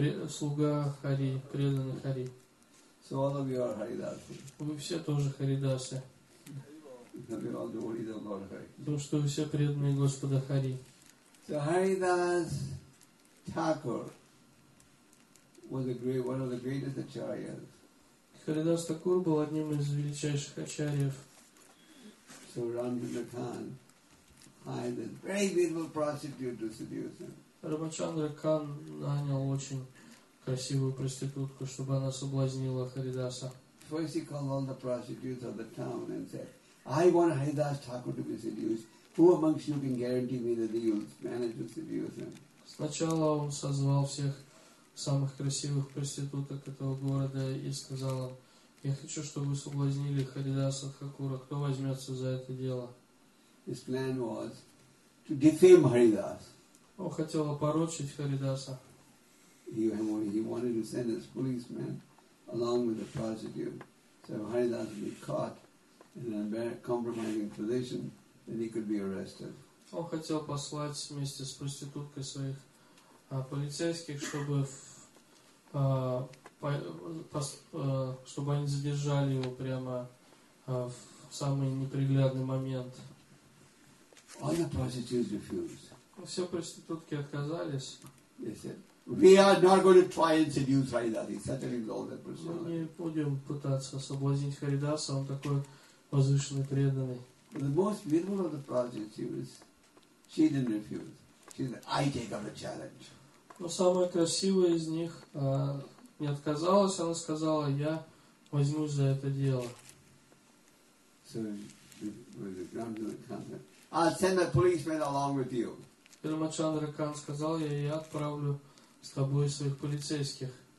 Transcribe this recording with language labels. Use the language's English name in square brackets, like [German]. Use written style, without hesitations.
[Russian] Слуга Хари, преданный Хари. [English] So all of you are Харидасы. [Russian] Вы все тоже Харидасы. Потому что вы все преданные Господа Хари. [English] So Haridas Thakur was one of the greatest acharyas. [Russian] Харидас Тхакур был одним из величайших ачарьев. [English] So Ramchandra Khan hired a very beautiful prostitute to seduce him. [Russian] Рамачандра Кан нанял очень красивую проститутку, чтобы она соблазнила Харидаса. [English] First he called all the prostitutes of the town and said, I want Haridas Thakur to be seduced. Who amongst you can guarantee me that he will manage to seduce him? [Russian] Сначала он созвал всех самых красивых проституток этого города и сказал им, я хочу, чтобы вы соблазнили Харидаса Тхакура. Кто возьмется за это дело? [English] His plan was to defame Haridas. [Russian] Он хотел опорочить Харидаса. [English] He wanted to send his policeman along with the prostitute, so Haridas would be caught in a compromising position, and he could be arrested. [Russian] Он хотел послать вместе с проституткой своих полицейских, чтобы чтобы они задержали его прямо в самый неприглядный момент. [English] All the prostitutes refused. [Russian] Все проститутки отказались. [English] They said, we are not going to try and seduce Haridasa. He's certainly all that person. [Russian] Мы не будем пытаться соблазнить Харидаса, он такой возвышенный, преданный. [English] The most beautiful of the prostitutes, she didn't refuse. She said, I take up the challenge. [Russian] Но самая красивая из них не отказалась, она сказала, я возьмусь за это дело. [English] So, the I'll send a policeman along with you. [Russian] Пирамачандра Кан сказал ей, я отправлю с тобой своих полицейских.